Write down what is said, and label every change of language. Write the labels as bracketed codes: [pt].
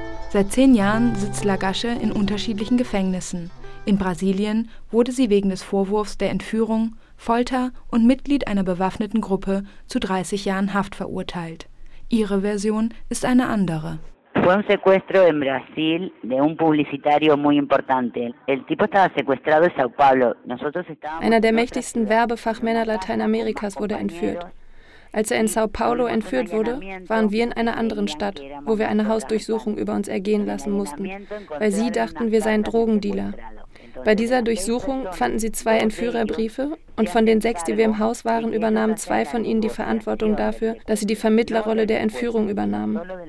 [de] Seit 10 Jahren sitzt La Gasche in unterschiedlichen Gefängnissen. In Brasilien wurde sie wegen des Vorwurfs der Entführung, Folter und Mitglied einer bewaffneten Gruppe zu 30 Jahren Haft verurteilt. Ihre Version ist eine andere. [es] Fue un secuestro en Brasil de un publicitario muy importante. El tipo estaba secuestrado en São Paulo. Nosotros estábamos. [de] Einer der mächtigsten Werbefachmänner Lateinamerikas wurde entführt. Als er in São Paulo entführt wurde, waren wir in einer anderen Stadt, wo wir eine Hausdurchsuchung über uns ergehen lassen mussten, weil sie dachten, wir seien Drogendealer. Bei dieser Durchsuchung fanden sie 2 Entführerbriefe und von den 6, die wir im Haus waren, übernahmen 2 von ihnen die Verantwortung dafür, dass sie die Vermittlerrolle der Entführung übernahmen.